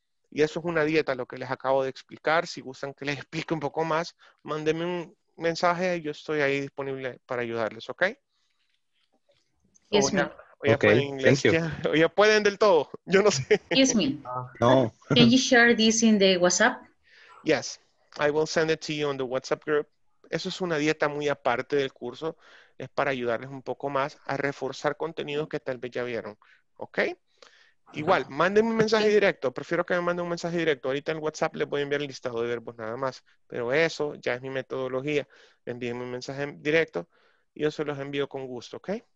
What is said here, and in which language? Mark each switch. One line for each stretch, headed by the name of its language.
Spanish: Y eso es una dieta, lo que les acabo de explicar. Si gustan que les explique un poco más, mándenme un mensaje y yo estoy ahí disponible para ayudarles, ¿ok?
English: Yes, ma'am.
Spanish: Okay, ya pueden del todo, yo no sé.
English: Yes, ma'am. No. Can you share this in the WhatsApp? Yes, I will send it to you on the WhatsApp group.
Spanish: Eso es una dieta muy aparte del curso. Es para ayudarles un poco más a reforzar contenidos que tal vez ya vieron, ¿ok? Igual, mándenme un mensaje directo. Prefiero que me manden un mensaje directo. Ahorita en WhatsApp les voy a enviar el listado de verbos nada más. Pero eso ya es mi metodología. Envíenme un mensaje directo y yo se los envío con gusto, ¿ok?